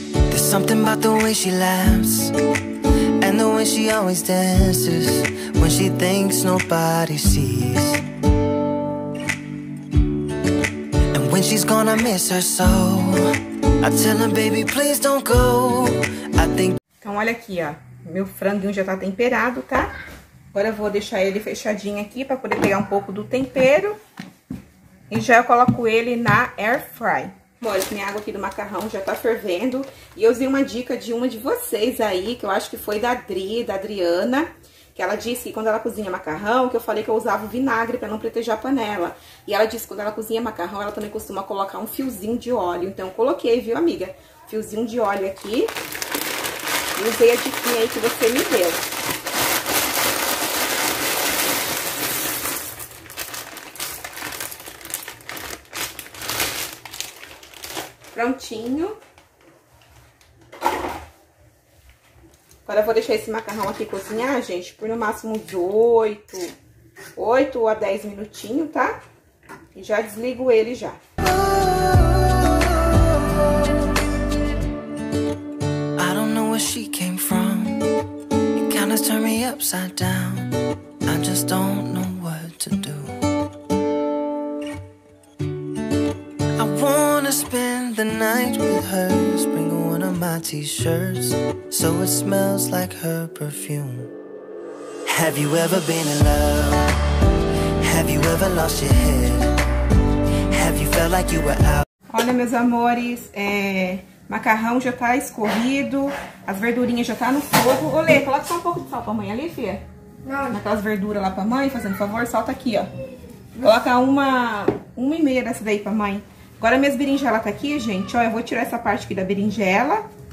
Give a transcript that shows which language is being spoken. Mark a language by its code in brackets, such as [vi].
[en] There's something about the way she laughs and the way she always dances when she thinks nobody sees. And when she's gonna miss her soul, I tell her, baby, please don't go. [pt] Então olha aqui, ó, meu franguinho já tá temperado, tá? Agora eu vou deixar ele fechadinho aqui pra poder pegar um pouco do tempero. E já eu coloco ele na air fry. Bom, minha água aqui do macarrão já tá fervendo. E eu usei uma dica de uma de vocês aí, que eu acho que foi da Adri, da Adriana. Que ela disse que quando ela cozinha macarrão, que eu falei que eu usava vinagre pra não proteger a panela. E ela disse que quando ela cozinha macarrão, ela também costuma colocar um fiozinho de óleo. Então eu coloquei, viu, amiga? Fiozinho de óleo aqui. E usei a diquinha aí que você me deu. Prontinho. Agora eu vou deixar esse macarrão aqui cozinhar, gente, por no máximo de 8 a 10 minutinhos, tá? E já desligo ele já. [en] I don't know where she came from. It kinda turned me upside down. I just don't know what to do. I wanna spend the night with her. Spring one of my t-shirts so it smells like her perfume. Have you ever been in love? Have you ever lost your head? Have you felt like you were out? [pt] Olha, meus amores, macarrão já tá escorrido, as verdurinhas já tá no fogo. Ô, Lê, coloca só um pouco de sal pra mãe ali, fia. Não. Aquelas verduras lá pra mãe, fazendo favor, solta aqui, ó. Coloca uma e meia dessa daí pra mãe. Agora minhas berinjelas tá aqui, gente, ó, eu vou tirar essa parte aqui da berinjela.